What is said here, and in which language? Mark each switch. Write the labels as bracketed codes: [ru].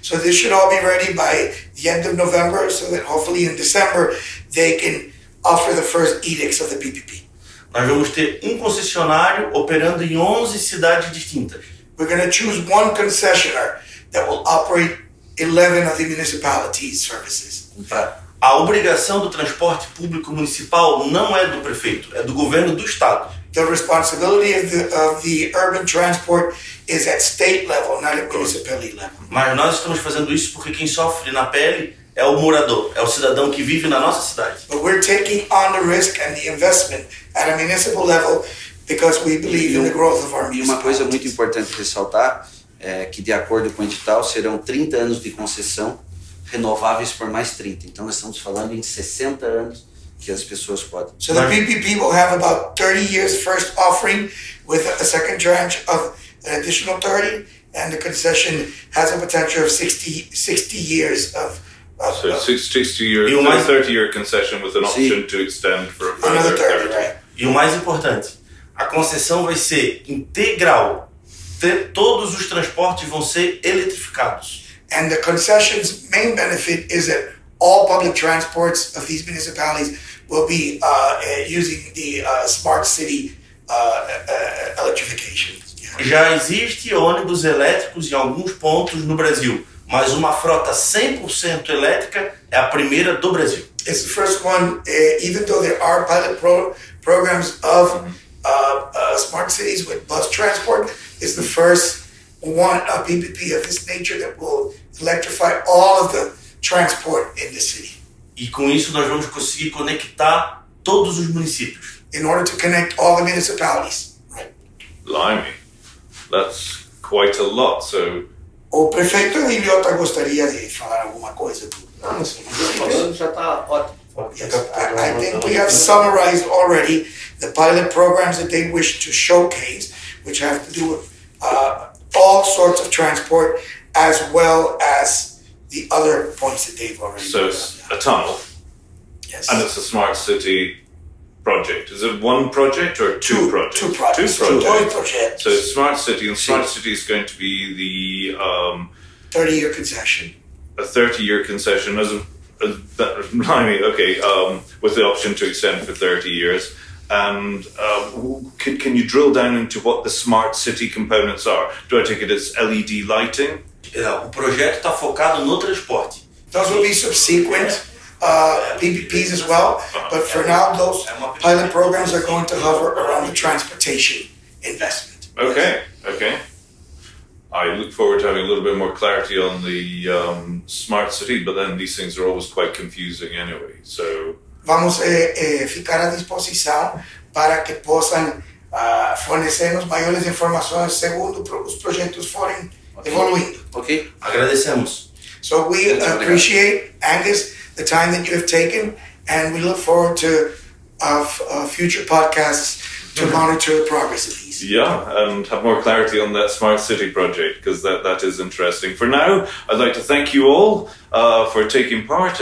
[en] So this should all be ready by the end of November, so that hopefully in December they can offer the first edicts of the PPP. [pt] Nós vamos ter um concessionário operando em 11 cidades distintas. [en] We're going to choose one concessionaire that will operate 11 of the municipalities' services. [pt] A obrigação do transporte público municipal não é do prefeito, é do governo do estado. [en] The responsibility of the urban transport is at state level, not at municipality level. [pt] Mas nós estamos fazendo isso porque quem sofre na pele é o morador, é o cidadão que vive na nossa cidade. [en] But we're taking on the risk and the investment at a municipal level because we believe in the growth of our municipality. [pt] Uma coisa muito importante ressaltar é que, de acordo com o edital, serão 30 anos de concessão renováveis por mais 30. Então, nós estamos falando em 60 anos que as pessoas podem. [en] So the PPP will have about 30 years first offering with a second tranche of an additional 30, and the concession has a potential of 60 years of. So 30-year concession with an option to extend for a further 30. [pt] E o mais importante, a concessão vai ser integral. Todos os transportes vão ser eletrificados. [en] And the concession's main benefit is that all public transports of these municipalities will be using the smart city electrification. Yeah. [pt] Já existe ônibus elétricos em alguns pontos no Brasil. Mas uma frota 100% elétrica é a primeira do Brasil. [en] It's the first one, even though there are pilot programs of smart cities with bus transport, is the first one, a PPP of this nature, that will electrify all of the transport in the city. [pt] E com isso nós vamos conseguir conectar todos os municípios. [en] In order to connect all the municipalities. Blimey. That's quite a lot, so... [pt] O prefeito Ilhota gostaria de falar alguma coisa? Não, já está ótimo. [en] I think we have summarized already the pilot programs that they wish to showcase, which have to do with all sorts of transport, as well as the other points that they've already... So it's a tunnel. Yes. And it's a smart city project. Is it one project or two projects? Two projects. So smart city, and smart city is going to be the... 30-year concession. A 30-year concession. With the option to extend for 30 years. And can you drill down into what the smart city components are? Do I take it as LED lighting? [pt] O projeto está focado no transporte. [en] Those will be subsequent PPPs as well, but for now those pilot programs are going to hover around the transportation investment. Okay. I look forward to having a little bit more clarity on the smart city, but then these things are always quite confusing anyway, so... [pt] Vamos ficar à disposição para que possam fornecermos maiores informações segundo os projetos forem evoluindo. Okay. Agradecemos. [en] So we appreciate, Angus, the time that you have taken, and we look forward to future podcasts to monitor the progress of these. Yeah, and have more clarity on that smart city project, because that is interesting. For now, I'd like to thank you all for taking part.